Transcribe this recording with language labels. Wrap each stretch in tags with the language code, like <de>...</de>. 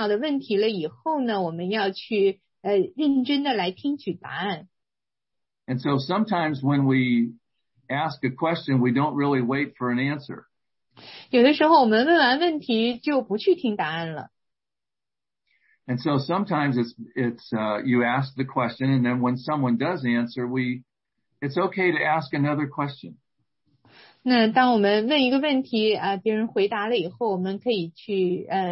<zh>当你问这个很重要的问题了以后呢, 我们要去, 认真地来听取答案。</zh> <en>And so sometimes when we ask a question, we don't really wait for an answer.</en> <zh>有的时候我们问完问题就不去听答案了。</zh> <en>And so sometimes you ask the question, and then when someone does answer, it's okay to ask another question.</en> <zh>那当我们问一个问题, 别人回答了以后, 我们可以去,</zh>